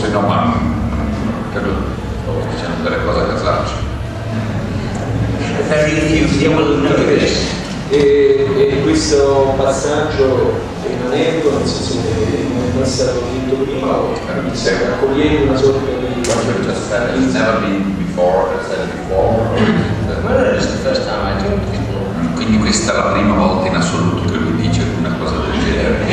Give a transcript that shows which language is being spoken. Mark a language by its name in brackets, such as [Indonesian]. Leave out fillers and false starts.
[Italian] Se no, ma credo, sto dicendo delle cose a casaccio. [English] Very few people know this. [Italian] E questo passaggio in aneddoto, nel senso che non è stato finito prima, sta raccogliendo una sorta di... [English] It's never been before, I said before. Well, it's the first time I told people. [Italian] Quindi questa è la prima volta in assoluto che lui dice una cosa del genere.